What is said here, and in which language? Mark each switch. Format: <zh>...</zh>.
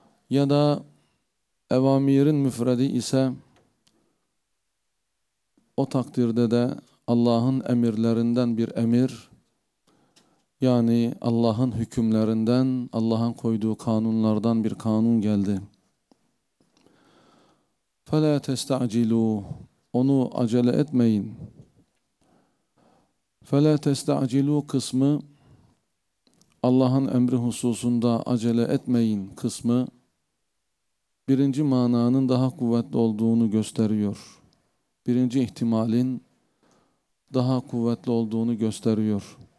<tr>Ya da evamirin müfredi ise o takdirde de Allah'ın emirlerinden bir emir, yani Allah'ın hükümlerinden, Allah'ın koyduğu kanunlardan bir kanun geldi. فَلَا تَسْتَعْجِلُوا Onu acele etmeyin.</tr> <ar>فَلَا تَسْتَعْجِلُوا kısmı</ar> <tr>Allah'ın emri hususunda acele etmeyin kısmı birinci mananın daha kuvvetli olduğunu gösteriyor. Birinci ihtimalin daha kuvvetli olduğunu gösteriyor.</tr>